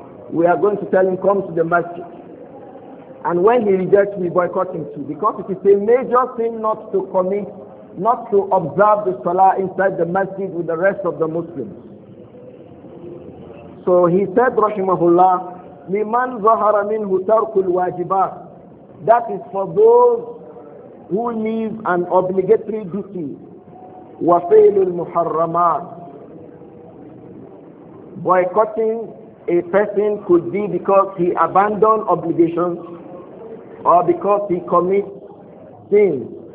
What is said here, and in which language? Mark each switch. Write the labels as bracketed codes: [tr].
[en] We are going to tell him, come to the masjid. And when he rejects, we boycott him too. Because it is a major thing not to commit, not to observe the salah inside the masjid with the rest of the Muslims. So he said, rahimahullah, [ar] لمن ظهر منه ترك الواجبات. [en] That is for those who leave an obligatory duty. [ar] وفعل المحرمات. [en] Boycotting a person could be because he abandoned obligations or because he commits sins.